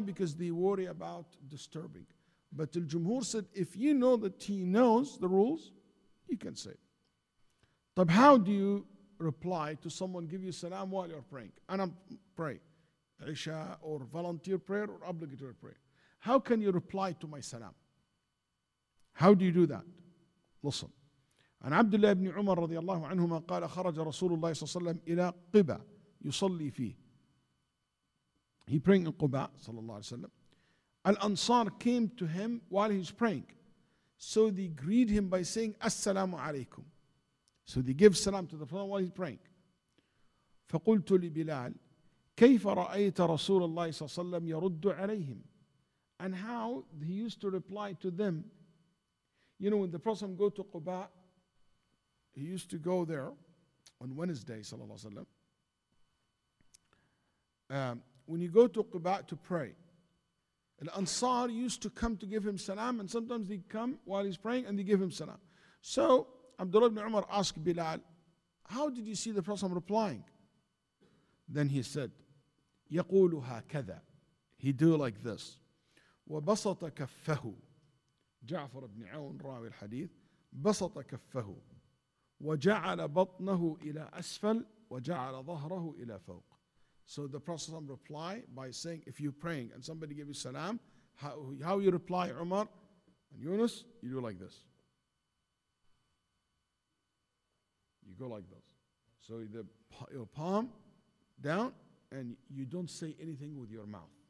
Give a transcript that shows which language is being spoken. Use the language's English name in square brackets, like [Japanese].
[English] Because they worry about disturbing. But the Jumhur said if you know that he knows the rules, you can say. But how do you reply to someone give you salam while you're praying? And I'm praying. Isha or volunteer prayer or obligatory prayer. How can you reply to my salam? How do you do that? Listen. [Arabic] عن عبد الله بن عمر رضي الله عنهما قال خرج رسول الله صلى الله عليه وسلم إلى قباء يصلي فيه. [English] He praying in [Arabic] قباء صلى الله عليه وسلم. [English] Al-Ansar came to him while he was praying. So they greet him by saying, As-salamu alaykum. So they give salam to the Prophet while he's praying. [Arabic] فَقُلْتُ لِبِلَالِ كَيْفَ رَأَيْتَ رَسُولَ اللَّهِ صَلَّى اللَّهُ عَلَيْهِ وَسَلَّمَ يَرُدُّ عَلَيْهِمْ. [English] And how he used to reply to them. You know, when the Prophet go to Quba, he used to go there on Wednesday, sallallahu alayhi wa sallam. When you go to Quba to pray, the Ansar used to come to give him salam, and sometimes they come while he's praying and they give him salam. So Abdullah ibn Umar asked Bilal, how did you see the Prophet replying? Then he said, [Arabic] يَقُولُ هَكَذَا. [English] He do like this. [Arabic] وَبَسَطَ كَفَّهُ. [English] Ja'far ibn Awn, rawi al-hadith, [Arabic] بَسَطَ كَفَّهُ وَجَعَلَ بَطْنَهُ إِلَىٰ أَسْفَلْ وَجَعَلَ ظَهْرَهُ إِلَىٰ فَوْقْ. [English] So the Prophet reply by saying, if you're praying and somebody gives you salam, how you reply, Umar and Yunus, you do like this. You go like this. So your palm down, and you don't say anything with your mouth.